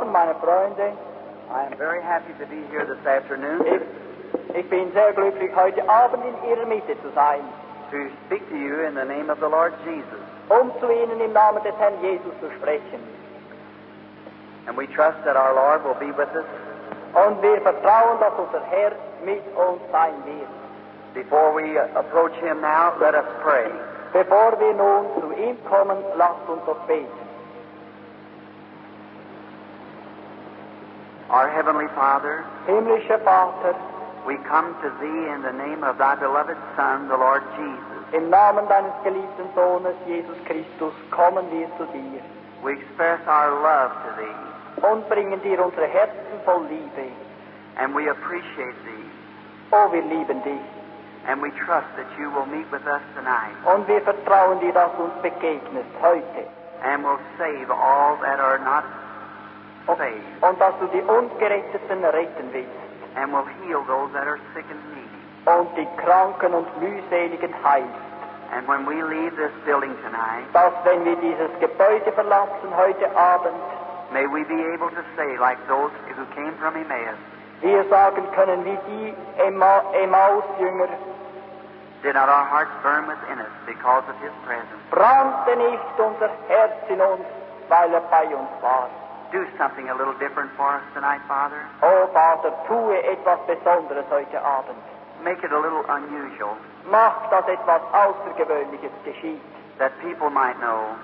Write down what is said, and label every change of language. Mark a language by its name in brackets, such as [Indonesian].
[English] I am very happy to be here this afternoon. [German] Ich bin sehr glücklich, heute Abend in Ihrer Mitte zu sein. [English] To speak to you in the name of the Lord Jesus. [German] Zu Ihnen im Namen des Herrn Jesus zu sprechen. [English] And we trust that our Lord will be with us. [German] Und wir vertrauen, dass unser Herr mit uns sein wird. [English] Before we approach Him now, let us pray. [German] Bevor wir nun zu ihm kommen, lasst uns doch beten. [English] Our Heavenly Father, [German] Himmlischer Vater, [English] we come to Thee in the name of Thy beloved Son, the Lord Jesus. [German] Im Namen deines geliebten Sohnes, Jesus Christus, kommen wir zu Dir. [English] We express our love to Thee. [German] Und bringen Dir unsere Herzen voll Liebe. [English] And we appreciate Thee. [German] Oh, wir lieben Dich. [English] And we trust that You will meet with us tonight. [German] Und wir vertrauen Dir, dass Du uns begegnest heute. [English] And will save all that are not [German] und dass du die Ungeretteten retten willst. [English] And will heal those that are sick and needy. [German] Und die Kranken und Mühseligen heilst. [English] And when we leave this building tonight, [German] dass wenn wir dieses Gebäude verlassen heute Abend, [English] may we be able to say like those who came from Emmaus, [German] wir sagen können wie die Emmaus-Jünger, [English] did not our hearts burn within us because of His presence? [German] Brannte nicht unser Herz in uns, weil bei uns war. [English] Do something a little different for us tonight, Father. [German] Oh, Vater, tue etwas Besonderes heute Abend. [English] Make it a little unusual. [German] Mach, dass etwas Außergewöhnliches geschieht. [English] That people might know.